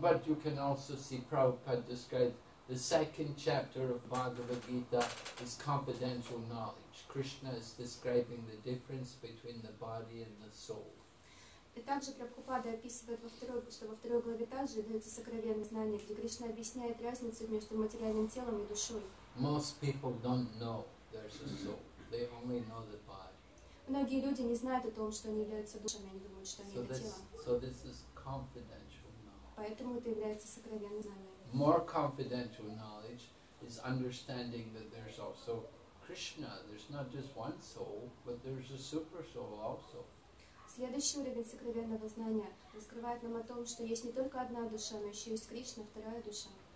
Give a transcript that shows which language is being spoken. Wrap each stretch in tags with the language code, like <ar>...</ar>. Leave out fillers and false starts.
<en>But you can also see Prabhupada described the second chapter of Bhagavad Gita is confidential knowledge. Krishna is describing the difference between the body and the soul.</en> <ru>И также Прабхупада описывает во второй главе также дается сокровенное знание, где Кришна объясняет разницу между материальным телом и душой.</ru> <en>Most people don't know there's a soul. They only know the body.</en> <ru>Многие люди не знают о том, что они являются душами, они думают, что они это тело.</ru> <en>So this is confidential.</en> <ru>Поэтому это является сокровенным знанием.</ru> <en>More confidential knowledge is understanding that there's also Krishna. There's not just one soul, but there's a super soul also.</en> <ru>Следующий уровень сокровенного знания раскрывает нам о том, что есть не только одна душа, но еще есть Кришна, вторая душа.</ru>